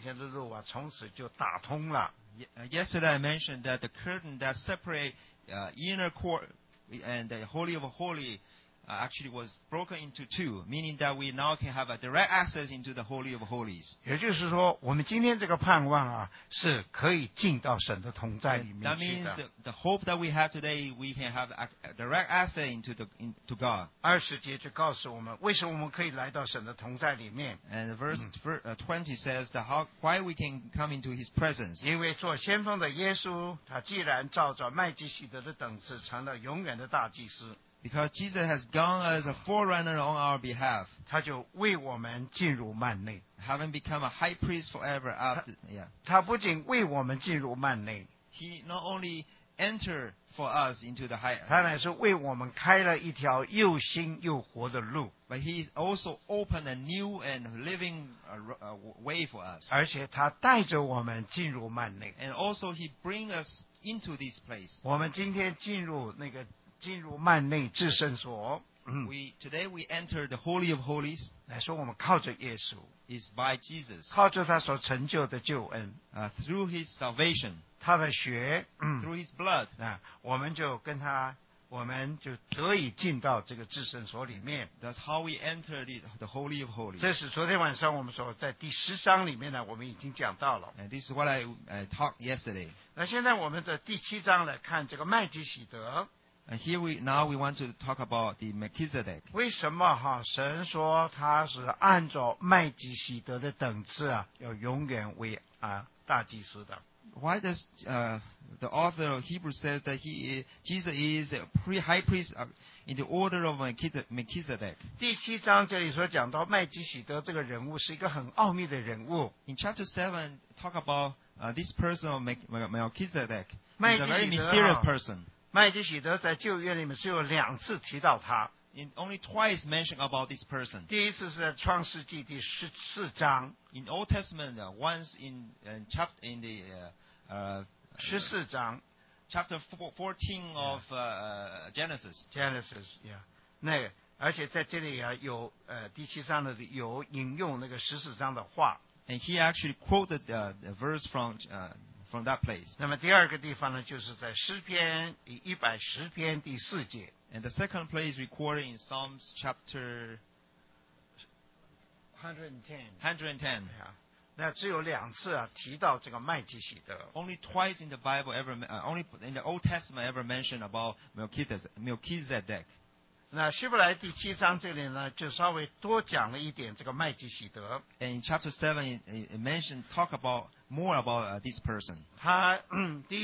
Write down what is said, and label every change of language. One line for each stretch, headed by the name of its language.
Chinese: 我昨天是前天有讲到哈，那个幔子主耶稣在圣殿里面呢，他断气的时候，那个圣殿里的幔子从上到下裂为两半，那个意思就是说，人进到神面前的路啊，从此就打通了。Yesterday
English: I mentioned that the curtain that separate inner court and the Holy of Holy actually was broken into two, meaning that we now can have a direct access into the Holy of Holies.
Chinese: 也就是说, 我们今天这个盼望啊, 是可以进到神的同在里面去的。
English: That means the hope that we have today, we can have a direct access into God.
Chinese: 20节就告诉我们, 为什么我们可以来到神的同在里面。
English: And verse 20 says that why we can come into His presence.
Chinese: 因为做先锋的耶稣, 他既然照着麦基洗德的等次, 成了永远的大祭司。
English: Because Jesus has gone as a forerunner on our behalf. Having become a high priest forever after. Yeah. He not only entered for us into the high. But he also opened a new and living way for us. And also he brings us into this place.
Chinese: 进入幔内至圣所,
English: today we enter the Holy of Holies.
Chinese: 来说我们靠着耶稣,
English: is by Jesus.
Chinese: 靠着他所成就的救恩,
English: through his salvation.
Chinese: 他的血,
English: through his blood.
Chinese: 我们就跟他, 我们就得以进到这个至圣所里面。
English: That's how we enter the Holy of Holies.
Chinese: 这是昨天晚上我们所在第十章里面呢, 我们已经讲到了。
English: And this is what I talked yesterday.
Chinese: 那现在我们的第七章来看这个麦基洗德。
English: And here we want to talk about the Melchizedek.
Chinese: 为什么, 神说他是按照麦基洗德的等次啊, 要永远为,
English: Why does the author of Hebrews say that Jesus is a high priest in the order of Melchizedek?
Chinese: 第七章这里所讲到麦基洗德这个人物是一个很奥秘的人物。
English: In chapter 7, talk about this person of Melchizedek. He's a very mysterious person.
Chinese: 麦基洗德在旧约里面只有两次提到他。
English: In only twice mentioned about this person.
Chinese: 第一次是在创世纪第十四章。
English: In Old Testament, once in chapter in the
Chinese: 十四章,
English: chapter 14 of Genesis. Genesis, yeah.
Chinese: 那而且在这里啊有 第七章的有引用那个十四章的话。
English: And he actually quoted the verse from that place.
Chinese: 那么第二个地方呢, 就是在诗篇, 110篇第四节。
English: And the second place recorded in Psalms chapter 110.
Chinese: 那只有两次啊, 提到这个麦基洗德。
English: Only twice in the Bible ever, only in the Old Testament ever mentioned about Melchizedek.
Chinese: 那希伯来第七章这里呢, 就稍微多讲了一点这个麦基洗德。
English: And in chapter 7, it mentioned, talk about more about this person.